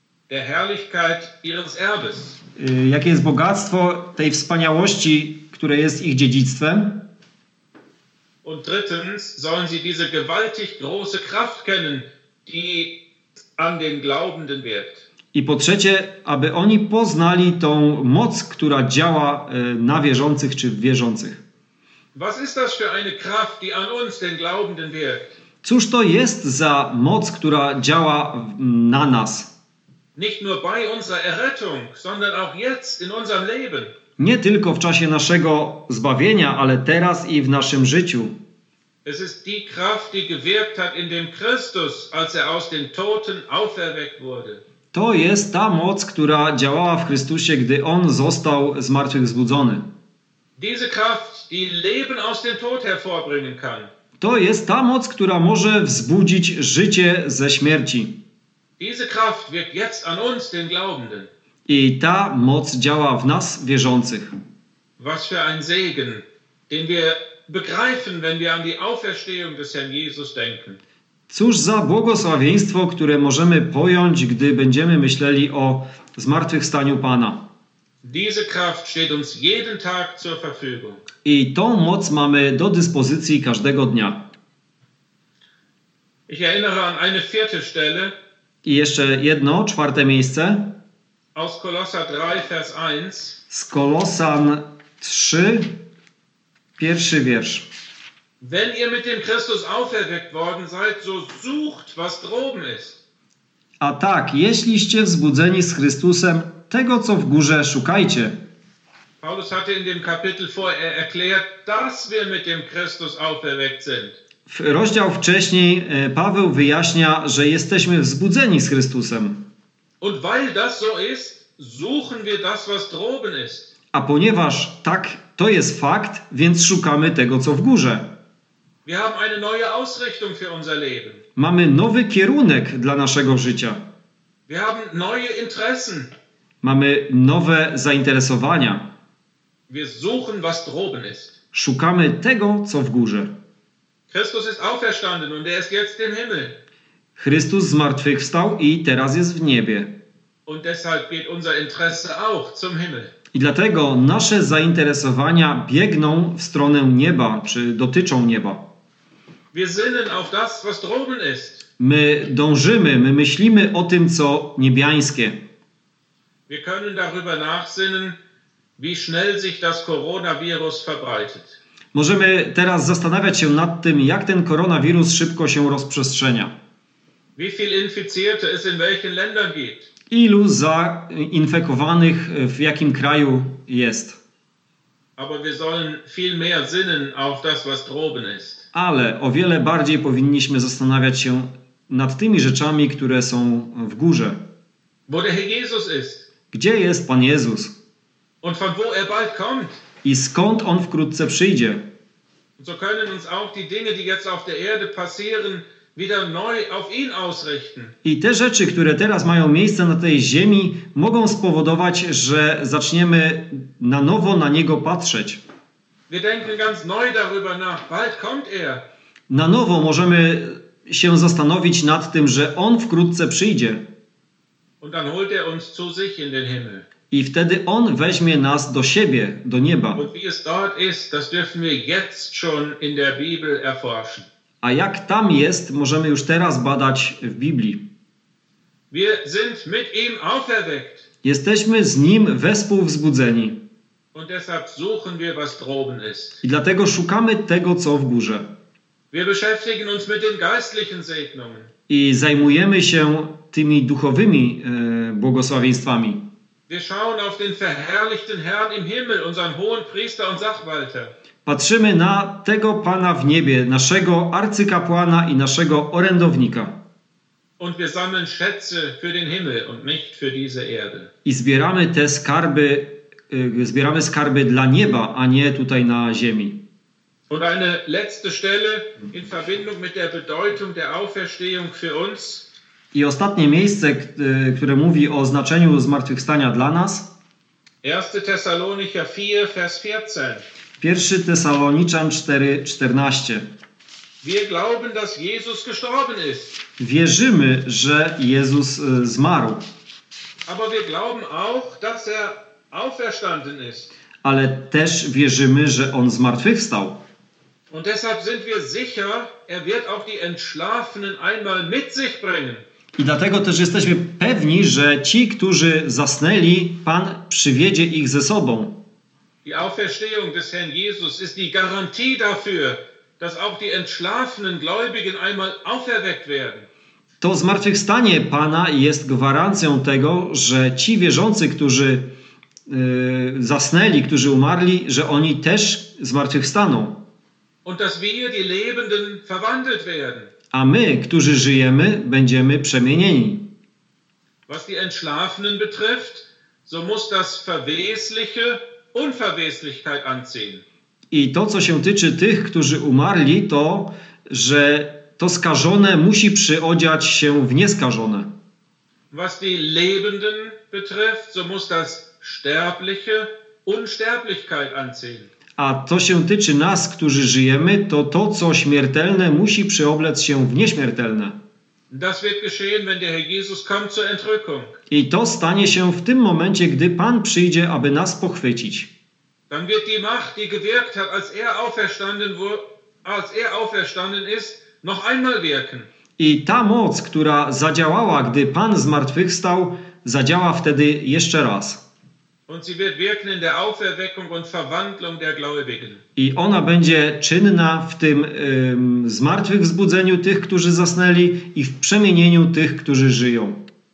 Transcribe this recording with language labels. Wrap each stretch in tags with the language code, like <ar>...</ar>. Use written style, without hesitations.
<de>der Herrlichkeit ihres Erbes.</de> <pl>Jakie jest bogactwo tej wspaniałości, które jest ich dziedzictwem?</pl> <de>Und drittens sollen sie diese gewaltig große Kraft kennen, die an den Glaubenden wirkt.</de> <pl>I po trzecie, aby oni poznali tą moc, która działa na wierzących czy w wierzących.</pl> <de>Was ist das für eine Kraft, die an uns, den Glaubenden, wirkt?</de> <pl>Cóż to jest za moc, która działa na nas?</pl> <de>Nicht nur bei unserer Errettung, sondern auch jetzt in unserem Leben.</de> <pl>Nie tylko w czasie naszego zbawienia, ale teraz i w naszym życiu.</pl> <de>Es ist die Kraft, die gewirkt hat in dem Christus, als er aus den Toten auferweckt wurde.</de> <pl>To jest ta moc, która działała w Chrystusie, gdy On został z martwych wzbudzony.</pl> <de>Diese Kraft, die Leben aus dem Tod hervorbringen kann.</de> <pl>To jest ta moc, która może wzbudzić życie ze śmierci.</pl> <de>Diese Kraft wirkt jetzt an uns, den Glaubenden.</de> <pl>I ta moc działa w nas, wierzących.</pl> <de>Was für ein Segen, den wir begreifen, wenn wir an die Auferstehung des Herrn Jesus denken.</de> <pl>Cóż za błogosławieństwo, które możemy pojąć, gdy będziemy myśleli o zmartwychwstaniu Pana.</pl> <de>Diese Kraft steht uns jeden Tag zur Verfügung.</de> <pl>I tą moc mamy do dyspozycji każdego dnia.</pl> <de>Ich erinnere an eine vierte Stelle.</de> <pl>I jeszcze jedno, czwarte miejsce.</pl> <de>Aus Kolosser 3, Vers 1.</de> <pl>Z Kolosan 3, pierwszy wiersz.</pl> <de>Wenn ihr mit dem Christus auferweckt worden seid, so sucht, was droben ist.</de> <pl>A tak, jeśliście wzbudzeni z Chrystusem, tego, co w górze, szukajcie.</pl> <de>Paulus hatte in dem Kapitel vorher erklärt, dass wir mit dem Christus auferweckt sind.</de> <pl>W rozdział wcześniej Paweł wyjaśnia, że jesteśmy wzbudzeni z Chrystusem.</pl> <de>Und weil das so ist, suchen wir das, was droben ist.</de> <pl>A ponieważ tak, to jest fakt, więc szukamy tego, co w górze.</pl> <de>Wir haben eine neue Ausrichtung für unser Leben.</de> <pl>Mamy nowy kierunek dla naszego życia.</pl> <de>Wir haben neue Interessen.</de> <pl>Mamy nowe zainteresowania.</pl> <de>Wir suchen, was droben ist.</de> <pl>Szukamy tego, co w górze.</pl> <de>Christus ist auferstanden und er ist jetzt im Himmel.</de> <pl>Chrystus zmartwychwstał i teraz jest w niebie.</pl> <de>Und deshalb geht unser Interesse auch zum Himmel.</de> <pl>I dlatego nasze zainteresowania biegną w stronę nieba, czy dotyczą nieba.</pl> <de>Wir sinnen auf das, was droben ist.</de> <pl>My dążymy, my myślimy o tym, co niebiańskie.</pl> <de>Wir können darüber nachsinnen, wie schnell sich das Coronavirus verbreitet.</de> <pl>Możemy teraz zastanawiać się nad tym, jak ten koronawirus szybko się rozprzestrzenia.</pl> <de>Wie viel infizierte es in welchen Ländern gibt.</de> <pl>Ilu zainfekowanych w jakim kraju jest.</pl> <de>Aber wir sollen viel mehr sinnen auf das, was droben ist.</de> <pl>Ale o wiele bardziej powinniśmy zastanawiać się nad tymi rzeczami, które są w górze.</pl> <de>Wo der Herr Jesus ist.</de> <pl>Gdzie jest Pan Jezus?</pl> <de>Und von wo er bald kommt.</de> <pl>I skąd On wkrótce przyjdzie.</pl> <de>So können uns auch die Dinge, die jetzt auf der Erde passieren, wieder neu auf ihn ausrichten.</de> <pl>I te rzeczy, które teraz mają miejsce na tej ziemi, mogą spowodować, że zaczniemy na nowo na Niego patrzeć.</pl> <de>Wir denken ganz neu darüber nach. Bald kommt er.</de> <pl>Na nowo możemy się zastanowić nad tym, że On wkrótce przyjdzie.</pl> <de>Und dann holt er uns zu sich in den Himmel.</de> <pl>I wtedy On weźmie nas do siebie, do nieba.</pl> <de>Und wie es dort ist, das dürfen wir jetzt schon in der Bibel erforschen.</de> <pl>A jak tam jest, możemy już teraz badać w Biblii.</pl> <de>Wir sind mit ihm auferweckt.</de> <pl>Jesteśmy z Nim wespół wzbudzeni.</pl> <de>Und deshalb suchen wir, was droben ist.</de> <pl>I dlatego szukamy tego, co w górze.</pl> <de>Wir beschäftigen uns mit den geistlichen Segnungen.</de> <pl>I zajmujemy się tymi duchowymi błogosławieństwami.</pl> <de>Wir schauen auf den verherrlichten Herrn im Himmel, unseren hohen Priester und Sachwalter.</de> <pl>Patrzymy na tego Pana w niebie, naszego arcykapłana i naszego orędownika.</pl> <de>Und wir sammeln Schätze für den Himmel und nicht für diese Erde.</de> <pl>I zbieramy te skarby, zbieramy skarby dla nieba, a nie tutaj na ziemi.</pl> <de>Und eine letzte Stelle in Verbindung mit der Bedeutung der Auferstehung für uns.</de> <pl>I ostatnie miejsce, które mówi o znaczeniu zmartwychwstania dla nas.</pl> <de>1 Thessalonicher 4, Vers 14.</de> <pl>1 Tesaloniczan 4, 14.</pl> <de>Wir glauben, dass Jesus gestorben ist.</de> <pl>Wierzymy, że Jezus zmarł.</pl> <de>Aber wir glauben auch, dass er auferstanden ist.</de> <pl>Ale też wierzymy, że On zmartwychwstał.</pl> <de>Und deshalb sind wir sicher, er wird auch die Entschlafenen einmal mit sich bringen.</de> <pl>I dlatego też jesteśmy pewni, że ci, którzy zasnęli, Pan przywiedzie ich ze sobą.</pl> <de>Die Auferstehung des Herrn Jesus ist die Garantie dafür, dass auch die entschlafenen Gläubigen einmal auferweckt werden.</de> <pl>To zmartwychwstanie Pana jest gwarancją tego, że ci wierzący, którzy zasnęli, którzy umarli, że oni też zmartwychwstaną.</pl> <de>Und dass wir, die Lebenden, verwandelt werden.</de> <pl>A my, którzy żyjemy, będziemy przemienieni.</pl> <de>Was die Entschlafenen betrifft, so muss das Verwesliche Unverweslichkeit anziehen.</de> <pl>I to, co się tyczy tych, którzy umarli, to, że to skażone musi przyodziać się w nieskażone.</pl> <de>Was die Lebenden betrifft, so muss das Sterbliche Unsterblichkeit anziehen.</de> <pl>A to się tyczy nas, którzy żyjemy, to to, co śmiertelne, musi przyoblec się w nieśmiertelne.</pl> <de>Das wird geschehen, wenn der Herr Jesus kommt zur Entrückung.</de> <pl>I to stanie się w tym momencie, gdy Pan przyjdzie, aby nas pochwycić.</pl> <de>Dann wird die Macht, die gewirkt hat, als er auferstanden ist, noch einmal wirken.</de> <pl>I ta moc, która zadziałała, gdy Pan zmartwychwstał, zadziała wtedy jeszcze raz.</pl> <de>Und sie wird wirken in der Auferweckung und Verwandlung der Gläubigen.</de> <pl>I ona będzie czynna w tym zmartwychwzbudzeniu tych, którzy zasnęli i w przemienieniu tych, którzy żyją.</pl>